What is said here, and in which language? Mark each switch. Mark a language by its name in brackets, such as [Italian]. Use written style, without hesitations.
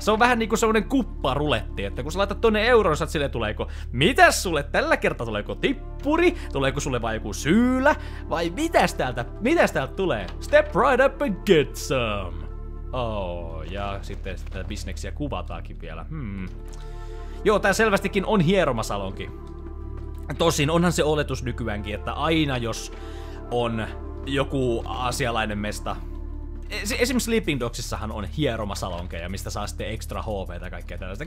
[Finnish] Se on vähän niinku semmonen kupparuletti, että kun sä laitat tonne euron, sä silleen tuleeko, mitäs sulle tällä kertaa, tuleeko tippuri, tuleeko sulle vai joku syylä, vai mitäs täältä tulee? [English] Step right up and get some. [Finnish] Oh, ja sitten tätä bisneksiä kuvataakin vielä. Joo, tää selvästikin on hieromasalonki. Tosin onhan se oletus nykyäänkin, että aina jos on joku aasialainen mesta. Esimerkiksi Sleeping Dogsissahan on hieromasalonkeja, mistä saa sitten ekstra HP:tä ja kaikkea tällaista.